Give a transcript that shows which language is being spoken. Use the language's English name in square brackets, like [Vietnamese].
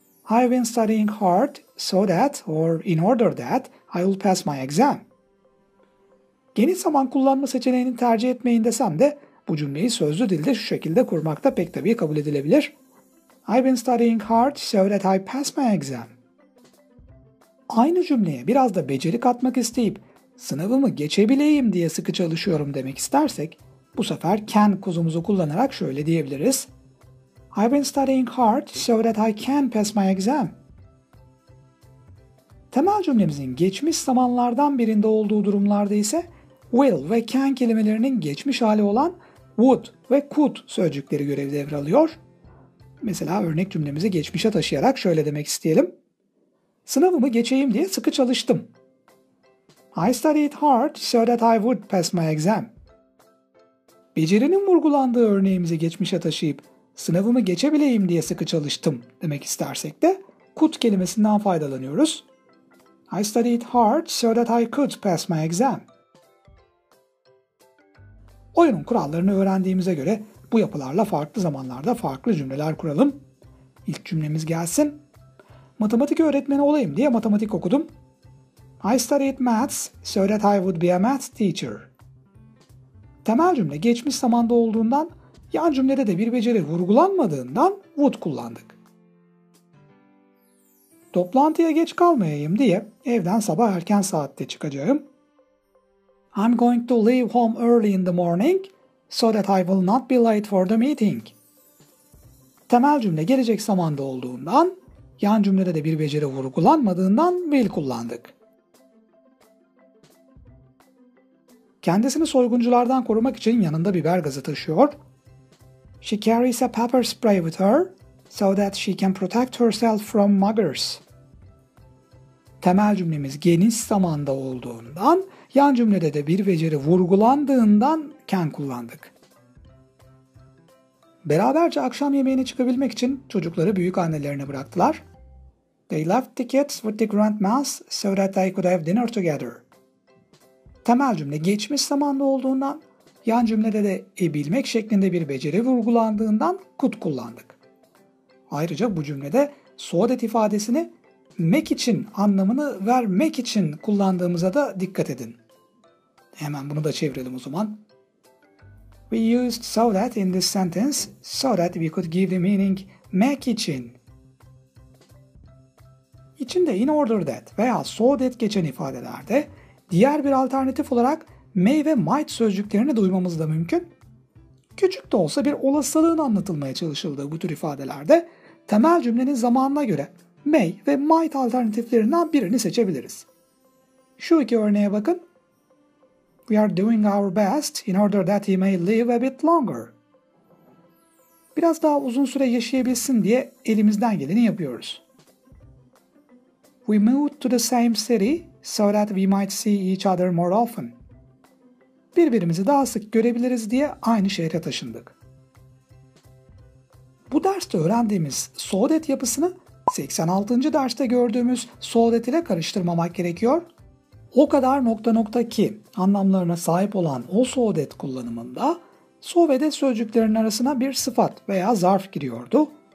[English] I've been studying hard so that or in order that I will pass my exam. [Turkish] Geniş zaman kullanma seçeneğini tercih etmeyin desem de bu cümleyi sözlü dilde şu şekilde kurmak da pek tabii kabul edilebilir. [English] I've been studying hard so that I pass my exam. [Turkish] Aynı cümleye biraz da beceri katmak isteyip sınavımı geçebileyim diye sıkı çalışıyorum demek istersek bu sefer can kozumuzu kullanarak şöyle diyebiliriz. [English] I've been studying hard so that I can pass my exam. [Turkish] Temel cümlemizin geçmiş zamanlardan birinde olduğu durumlarda ise will ve can kelimelerinin geçmiş hali olan would ve could sözcükleri görev devralıyor. Mesela örnek cümlemizi geçmişe taşıyarak şöyle demek isteyelim. Sınavımı geçeyim diye sıkı çalıştım. [English] I studied hard so that I would pass my exam. [Turkish] Becerinin vurgulandığı örneğimizi geçmişe taşıyıp sınavımı geçebileyim diye sıkı çalıştım demek istersek de could kelimesinden faydalanıyoruz. [English] I studied hard so that I could pass my exam. [Turkish] Oyunun kurallarını öğrendiğimize göre bu yapılarla farklı zamanlarda farklı cümleler kuralım. İlk cümlemiz gelsin. Matematik öğretmeni olayım diye matematik okudum. [English] I studied maths so that I would be a math teacher. [Turkish] Temel cümle geçmiş zamanda olduğundan yan cümlede de bir beceri vurgulanmadığından would kullandık. Toplantıya geç kalmayayım diye evden sabah erken saatte çıkacağım. [English] I'm going to leave home early in the morning so that I will not be late for the meeting. [Turkish] Temel cümle gelecek zamanda olduğundan, yan cümlede de bir beceri vurgulanmadığından will kullandık. Kendisini soygunculardan korumak için yanında biber gazı taşıyor. [English] She carries a pepper spray with her so that she can protect herself from muggers. [Turkish] Temel cümlemiz geniş zamanda olduğundan, yan cümlede de bir beceri vurgulandığından can kullandık. Beraberce akşam yemeğine çıkabilmek için çocukları büyük annelerine bıraktılar. [English] They left the kids with the grandmas so that they could have dinner together. [Turkish] Temel cümle geçmiş zamanda olduğundan, yan cümlede de ebilmek şeklinde bir beceri vurgulandığından could kullandık. Ayrıca bu cümlede so that ifadesini make için anlamını vermek için kullandığımıza da dikkat edin. Hemen bunu da çevirelim o zaman. [English] We used so that in this sentence so that we could give the meaning [Turkish] make için. İçinde in order that veya so that geçen ifadelerde diğer bir alternatif olarak may ve might sözcüklerini duymamız da mümkün. Küçük de olsa bir olasılığın anlatılmaya çalışıldığı bu tür ifadelerde temel cümlenin zamanına göre may ve might alternatiflerinden birini seçebiliriz. Şu iki örneğe bakın. [English] We are doing our best in order that he may live a bit longer. [Turkish] Biraz daha uzun süre yaşayabilsin diye elimizden geleni yapıyoruz. [English] We moved to the same city so that we might see each other more often. [Turkish] Birbirimizi daha sık görebiliriz diye aynı şehre taşındık. Bu derste öğrendiğimiz so that yapısını 86. derste gördüğümüz so that ile karıştırmamak gerekiyor. O kadar nokta nokta ki anlamlarına sahip olan o so that kullanımında so ve de sözcüklerinin arasına bir sıfat veya zarf giriyordu.